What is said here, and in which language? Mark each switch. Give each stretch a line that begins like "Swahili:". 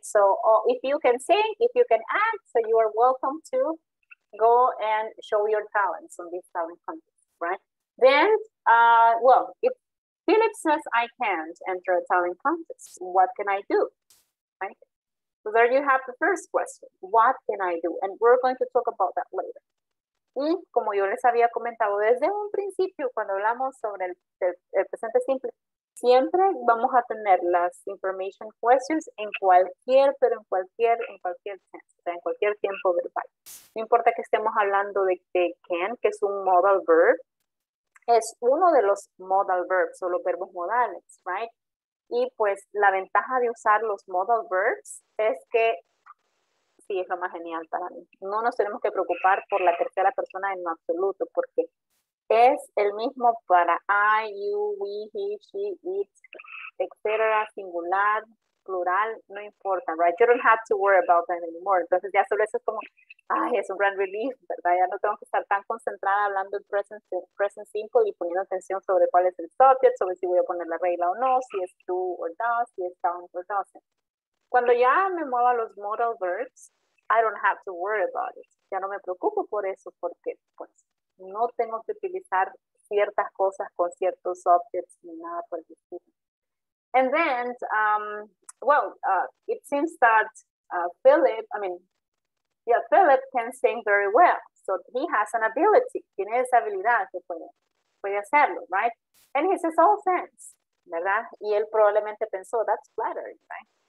English: So if you can sing, if you can act, so you are welcome to go and show your talents on this talent contest, right? Then, well, if Philip says I can't enter a talent contest, what can I do, right? So there you have the first question. What can I do? And we're going to talk about that later.
Spanish: Y como yo les había comentado desde un principio cuando hablamos sobre el presente simple, siempre vamos a tener las information questions en cualquier, pero en cualquier tense, o sea, en cualquier tiempo verbal. No importa que estemos hablando de can, que es un modal verb, es uno de los modal verbs o los verbos modales, right? Y pues la ventaja de usar los modal verbs es que, sí, es lo más genial para mí. No nos tenemos que preocupar por la tercera persona en absoluto, porque es el mismo para I, you, we, he, she, it, etc., singular, plural, no importa, right?
English: You don't have to worry about that anymore.
Spanish: Entonces ya solo eso es como, ay, es un gran relief, ¿verdad? Ya no tengo que estar tan concentrada hablando en present simple y poniendo atención sobre cuál es el subject, sobre si voy a poner la regla o no, si es do or does, si es done or doesn't. Cuando ya me muevo a los modal verbs, I don't have to worry about it. Ya no me preocupo por eso porque, pues, no tengo que utilizar ciertas cosas con ciertos objects ni nada por el estilo.
English: And then, well, it seems that Philip can sing very well.
Spanish: So he has an ability. Tiene esa habilidad que puede hacerlo, right?
English: And he says all things, ¿verdad? Y él probablemente pensó, that's flattering, right?